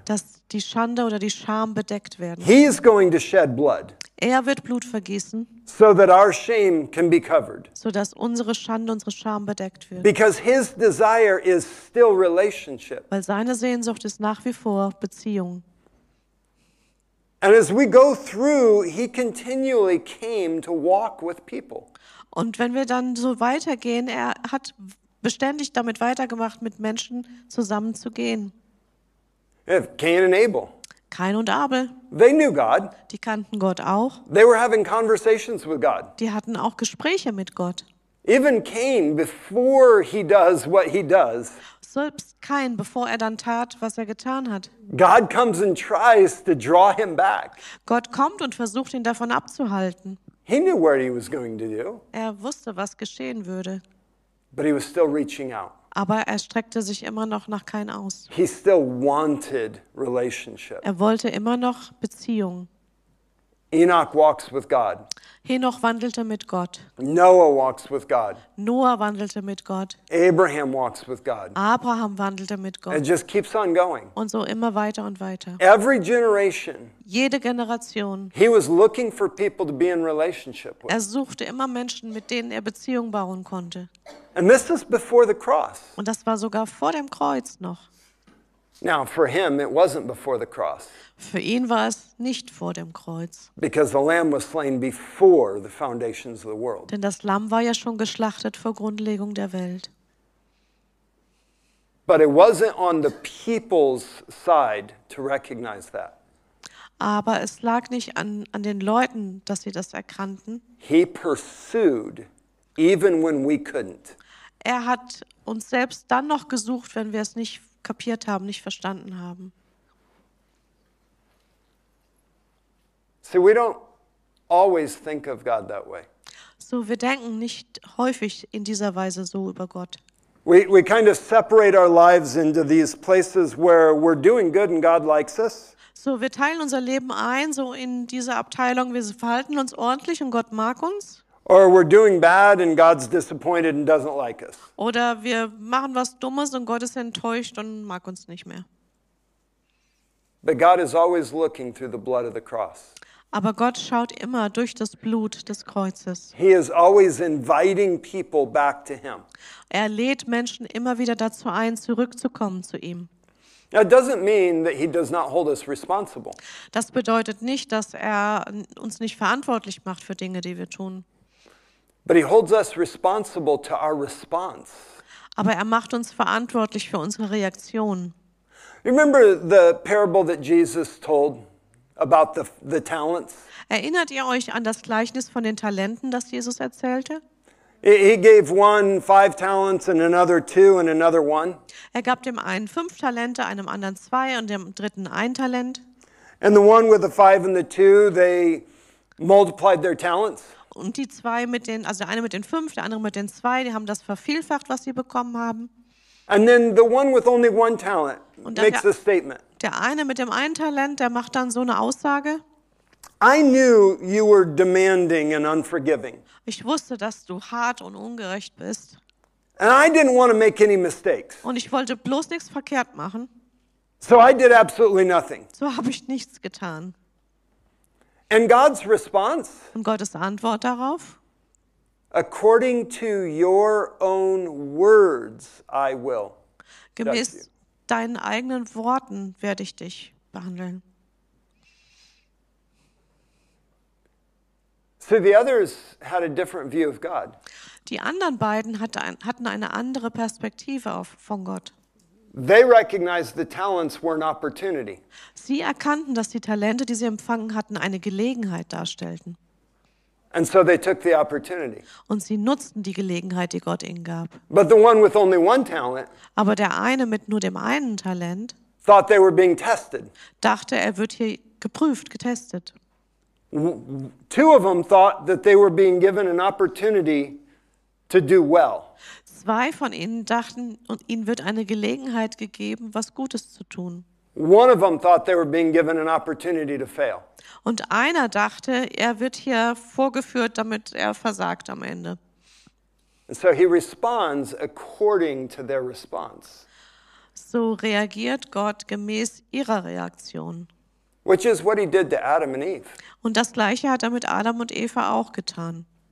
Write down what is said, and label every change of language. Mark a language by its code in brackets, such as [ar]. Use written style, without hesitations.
[de] Dass die Schande oder die Scham bedeckt werden. [en] He is going to shed blood. [de] Er wird Blut vergießen. [en] So that our shame can be covered. [de] So dass unsere Schande, unsere Scham bedeckt wird. [en] Because his desire is still relationship. [de] Weil seine Sehnsucht ist nach wie vor Beziehung. [en] And as we go through, he continually came to walk with people. [de] Und wenn wir dann so weitergehen, er hat beständig damit weitergemacht, mit Menschen zusammenzugehen. [en] Cain and Abel. [de] Cain und Abel. [en] They knew God. [de] Die kannten Gott auch. [en] They were having conversations with God. [de] Die hatten auch Gespräche mit Gott. [en] Even Cain, before he does what he does. [de] Selbst Cain, bevor er dann tat, was er getan hat. [en] God comes and tries to draw him back. [de] Gott kommt und versucht ihn davon abzuhalten. [en] He knew what he was going to do. [de] Er wusste, was geschehen würde. [en] But he was still reaching out. [de] Aber er streckte sich immer noch nach Cain aus. [en] He still wanted relationship. [de] Er wollte immer noch Beziehung. [en] Enoch walks with God. [de] Henoch wandelte mit Gott. [en] Noah walks with God. [de] Noah wandelte mit Gott. [en] Abraham walks with God. [de] Abraham wandelte mit Gott. [en] It just keeps on going. [de] Und so immer weiter und weiter. [en] Every generation. [de] Jede Generation. [en] He was looking for people to be in relationship with. [de] Er suchte immer Menschen, mit denen er Beziehung bauen konnte. [en] And this is before the cross. [de] Und das war sogar vor dem Kreuz noch. [en] Now for him it wasn't before the cross. [de] Für ihn war es nicht vor dem Kreuz. [en] Because the lamb was slain before the foundations of the world. [de] Denn das Lamm war ja schon geschlachtet vor Grundlegung der Welt. [en] But it wasn't on the people's side to recognize that. [de] Aber es lag nicht an den Leuten, dass sie das erkannten. [en] He pursued even when we couldn't. [de] Er hat uns selbst dann noch gesucht, wenn wir es nicht kapiert haben, nicht verstanden haben. [en] See, we don't always think of God that way. [de] So wir denken nicht häufig in dieser Weise so über Gott. [en] We kind of separate our lives into these places where we're doing good and God likes us. [de] So wir teilen unser Leben ein so in diese Abteilung, wir verhalten uns ordentlich und Gott mag uns. [en] Or we're doing bad and God's disappointed and doesn't like us. [de] Oder wir machen was Dummes und Gott ist enttäuscht und mag uns nicht mehr. [en] But God is always looking through the blood of the cross. [de] Aber Gott schaut immer durch das Blut des Kreuzes. [en] He is always inviting people back to him. [de] Er lädt Menschen immer wieder dazu ein, zurückzukommen zu ihm. [en] That doesn't mean that he does not hold us responsible. [de] Das bedeutet nicht, dass er uns nicht verantwortlich macht für Dinge, die wir tun. [en] But he holds us responsible to our response. [de] Aber er macht uns verantwortlich für unsere Reaktion. [en] Remember the parable that Jesus told about the talents? [de] Erinnert ihr euch an das Gleichnis von den Talenten, das Jesus erzählte? [en] He gave one 5 talents and another 2 and another 1. [de] Er gab dem einen 5 Talente, einem anderen 2 und dem dritten 1 Talent. [en] And the one with the 5 and the 2, they multiplied their talents. [de] Und die zwei mit den, also der eine mit den 5, der andere mit den 2, die haben das vervielfacht, was sie bekommen haben. [en] And then the one with only one talent makes a statement. [de] Der eine mit dem einen Talent, der macht dann so eine Aussage. [en] I knew you were demanding and unforgiving. [de] Ich wusste, dass du hart und ungerecht bist. [en] And I didn't want to make any mistakes. [de] Und ich wollte bloß nichts verkehrt machen. [en] So I did absolutely nothing. [de] So habe ich nichts getan. [en] And God's response? [de] Und Gottes Antwort darauf? [en] According to your own words, I will. [de] Gemäß deinen eigenen Worten werde ich dich behandeln. [en] So the others had a different view of God. [de] Die anderen beiden hatten eine andere Perspektive von Gott. [en] They recognized the talents were an opportunity. [de] Sie erkannten, dass die Talente, die sie empfangen hatten, eine Gelegenheit darstellten. [en] And so they took the opportunity. [de] Und sie nutzten die Gelegenheit, die Gott ihnen gab. [en] But the one with only one talent, [de] aber der eine mit nur dem einen Talent, [en] thought they were being tested. [de] Dachte, er wird hier geprüft, getestet. [en] Two of them thought that they were being given an opportunity to do well. [de] Zwei von ihnen dachten, und ihnen wird eine Gelegenheit gegeben, was Gutes zu tun. [en] One of them thought they were being given an opportunity to fail. [de] Und einer dachte, er wird hier vorgeführt, damit er versagt am Ende. [en] And so he responds according to their response. [de] So reagiert Gott gemäß ihrer Reaktion. [en] Which is what he did to Adam and Eve. [de] Und das Gleiche hat er mit Adam und Eva auch getan.